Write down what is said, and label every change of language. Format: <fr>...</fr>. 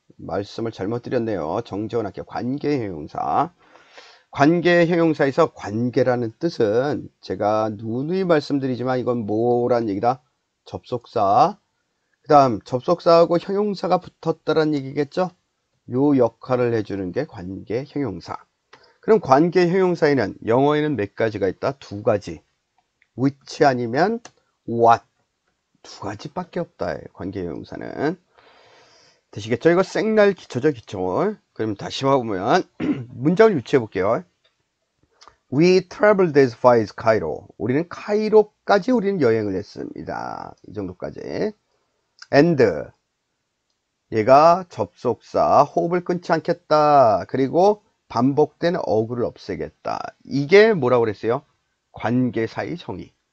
<ko>말씀을 잘못 드렸네요. 정정할게요. 관계 형용사 관계 형용사에서 관계라는 뜻은 제가 누누이 말씀드리지만 이건 뭐란 얘기다? 접속사. 그다음 접속사하고 형용사가 붙었다란 얘기겠죠? 요 역할을 해주는 게 관계 형용사. 그럼 관계 형용사에는 영어에는 몇 가지가 있다? 두 가지. which 아니면 what. 두 가지밖에 없다. 관계 형용사는. 되시겠죠? 이거 생날 기초죠, 기초. 그럼 다시 와보면 문장을 유추해 볼게요.</ko> <en>We traveled as far as Cairo.</en> <ko>우리는 카이로까지 우리는 여행을 했습니다. 이 정도까지. And 얘가 접속사 호흡을 끊지 않겠다. 그리고 반복된 어구를 없애겠다. 이게 뭐라고 그랬어요? 관계사의 정의.</ko>